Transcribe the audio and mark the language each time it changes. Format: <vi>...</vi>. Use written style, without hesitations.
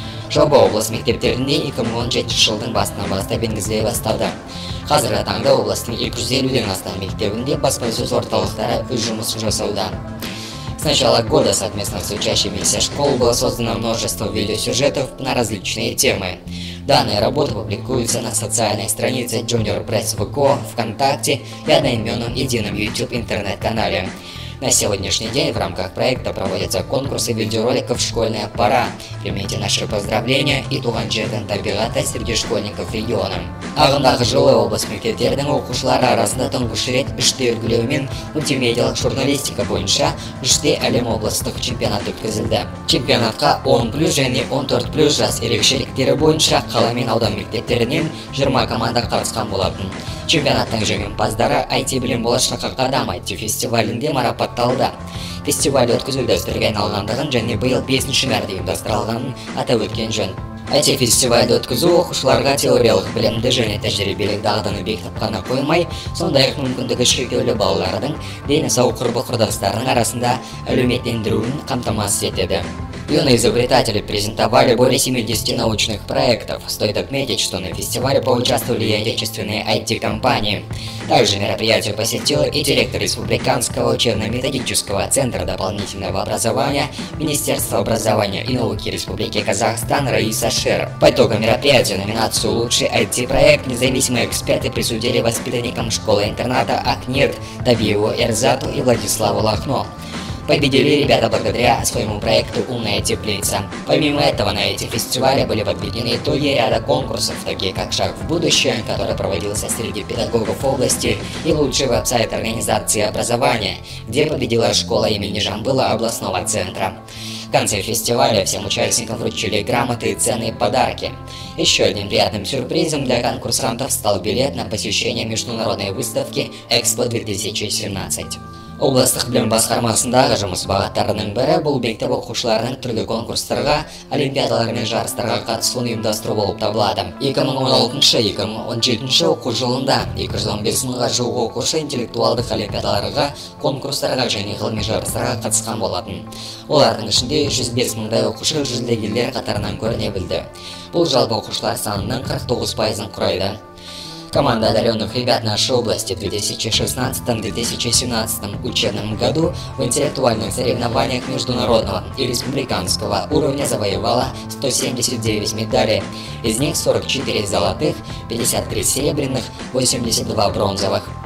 <kk>Жоба облыс мектептерінде 2017 жылдың басынан бастап енгізіле бастады. Қазіргі таңда облыстың 250-ден астам мектебінде баспасөз орталықтары өз жұмысын жасауда.</kk> <ru>С начала года совместно с учащимися школ было создано множество видеосюжетов на различные темы. Данная работа публикуется на социальной странице Junior Press VK, ВКонтакте и одноименном едином YouTube интернет-канале. На сегодняшний день в рамках проекта проводятся конкурсы видеороликов «Школьная пора». Примите наши поздравления и туғанжетін табиғаты среди школьников региона.</ru> <kk>Ағындағы жылы облыс мектептердің оқушылары арасында тұңғыш рет үште үлгілеумен мультимедиалық журналистика бойынша үште әлем облыстық чемпионат өткізілді. Чемпионатқа 10+ және 14+ жас ерекшеліктері бойынша қала мен аудан мектептерінен 20 команда қатысқан болатын. Чемпионаттың жеңімпаздары IT-білім болашаққа қадам IT фестивалінде марапатталды. Фестиваль өткізілді дәстүрге айналғандығын және биыл 5-ші мәрте ұйымдастырылғанын атап өткен жөн. IT-фестивальді өткізу оқушыларға теориялық білімді және тәжірибелік дағдыны бекітіп қана қоймай, сондай-ақ мүмкіндігі шектеулі балалардың дені сау құрбы-құрдастарының арасында әлеуметтендіруін қамтамасыз етеді.</kk> <ru>Юные изобретатели презентовали более 70 научных проектов. Стоит отметить, что на фестивале поучаствовали и отечественные IT-компании. Также мероприятие посетил и директор Республиканского учебно-методического центра дополнительного образования Министерства образования и науки Республики Казахстан Раиса Шер. По итогам мероприятия номинацию «Лучший IT-проект» независимые эксперты присудили воспитанникам школы-интерната Акнирт, Табиеву Эрзату и Владиславу Лахно. Победили ребята благодаря своему проекту «Умная теплица». Помимо этого, на эти фестивали были подведены итоги ряда конкурсов, такие как «Шаг в будущее», который проводился среди педагогов области, и «Лучший веб-сайт организации образования», где победила школа имени Жамбыла областного центра. В конце фестиваля всем участникам вручили грамоты и ценные подарки. Еще одним приятным сюрпризом для конкурсантов стал билет на посещение международной выставки «Экспо-2017».</ru> <kk>Областық білім басқармасындағы жұмыс бағыттарының бірі бұл мектеп оқушыларының түрлі конкурстарға, олимпиадалар мен жарыстарға қатысуын ұйымдастыру болып табылады. 2016-2017 оқу жылында 215 мыңға жуық оқушы интеллектуалдық олимпиадаларға, конкурстарға және ғылыми жарыстарға қатысқан болатын. Олардың ішінде 105 мыңдай оқушы жүлдегерлер қатарынан көріне білді. Бұл жалпы оқушылар санының 49% құрайды.</kk> <ru>Команда одаренных ребят нашей области в 2016-2017 учебном году в интеллектуальных соревнованиях международного и республиканского уровня завоевала 179 медалей, из них 44 золотых, 53 серебряных, 82 бронзовых.</ru>